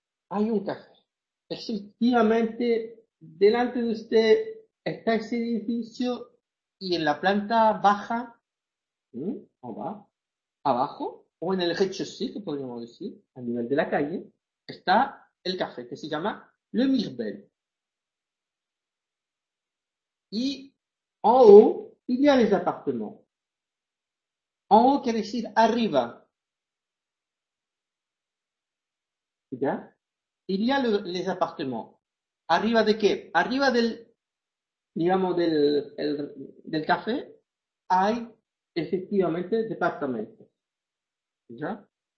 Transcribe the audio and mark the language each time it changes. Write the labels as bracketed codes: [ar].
[es] Hay un café. Efectivamente, delante de usted está ese edificio y en la planta baja, o va, abajo, o en el rez-de-chaussée, que podríamos decir, a nivel de la calle, está el café, que se llama Le Mirbel. [fr] Y en haut, il y a les appartements. En haut [es] quiere decir arriba. ¿Ya? [fr] Il y a les appartements. [es] ¿Arriba de qué? Arriba del, digamos, del café, hay efectivamente departamento. ¿Ya?